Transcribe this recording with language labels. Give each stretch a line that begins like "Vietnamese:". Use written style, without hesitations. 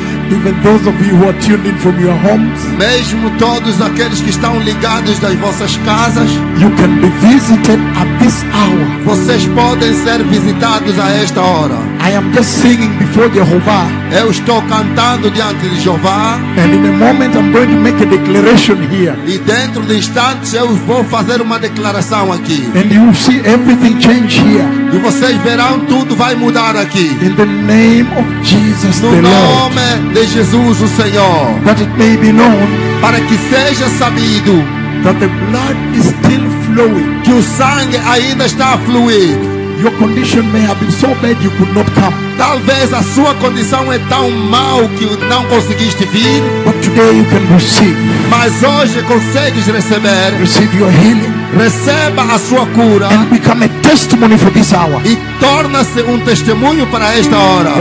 English: even those of you who are tuned in from your homes,
Portuguese: mesmo todos aqueles que estão ligados das vossas casas,
English: you can be visited at this hour.
Portuguese: Vocês podem ser visitados a esta hora.
English: I am just singing before Jehovah.
Portuguese: Eu estou cantando diante de Jeová.
English: And in a moment I'm going to make a declaration here.
Portuguese: E dentro de instantes eu vou fazer uma declaração aqui.
English: And you see everything change here.
Portuguese: E vocês verão tudo vai mudar aqui.
English: In the name of Jesus,
Portuguese: no nome de Jesus o Senhor.
English: That it may be known.
Portuguese: Para que seja sabido.
English: That the blood is still flowing.
Portuguese: Que o sangue ainda está a fluir.
English: Your condition may have been so bad you could not come.
Portuguese: Talvez a sua condição é tão mal que não conseguiste vir.
English: But today you can receive.
Portuguese: Mas hoje consegues receber.
English: Receive your healing.
Portuguese: Receba a sua cura.
English: And become a testimony for this hour.
Portuguese: E torna-se testemunho para esta hora.